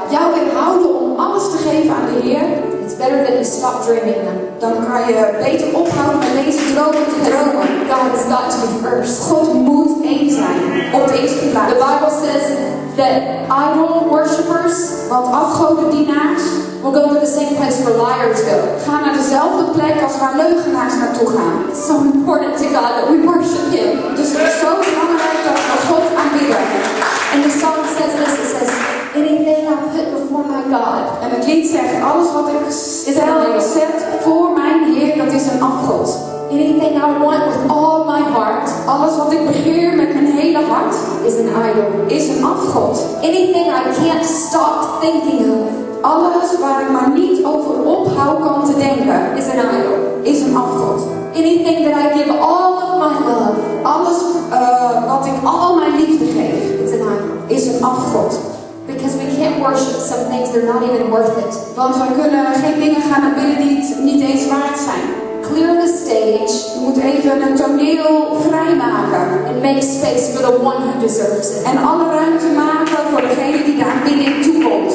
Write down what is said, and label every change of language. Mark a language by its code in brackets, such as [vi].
[nl] Jou inhouden om alles te geven aan de Heer. [en] It's better than to stop dreaming them. [nl] Dan kan je beter ophouden met deze dromen te dromen. [en] God has got to be first. [nl] God moet één zijn. Op de eerste plaats. [en] The Bible says that idol worshippers, [nl] want afgodendienaars, [en] will go to the same place where liars go. [nl] Gaan naar dezelfde plek als waar leugenaars naartoe gaan. [en] It's so important to God that we worship Him. [nl] Dus het is zo belangrijk dat we God aanbidden. [en] And the song says this, it says, anything I put before my God. [nl] En het lied zegt, alles wat ik zet voor mijn Heer, dat is een afgod. [en] Anything I want with all my heart. [nl] Alles wat ik begeer met mijn hele hart, [en] is an idol. [nl] Is een afgod. [en] Anything I can't stop thinking of. [nl] Alles waar ik maar niet over ophou kan te denken, [en] is an idol. [nl] Is een afgod. [en] Anything that I give all of my love. [nl] Alles wat ik al mijn liefde geef. Is een afgod. [en] Because we can't worship some things that are not even worth it. [nl] Want we kunnen geen dingen gaan aanbidden die niet eens waard zijn. [en] Clear the stage. [nl] Je moet even een toneel vrijmaken. [en] And make space for the one who deserves it. [nl] En alle ruimte maken voor degene die de aanbidding toekomt.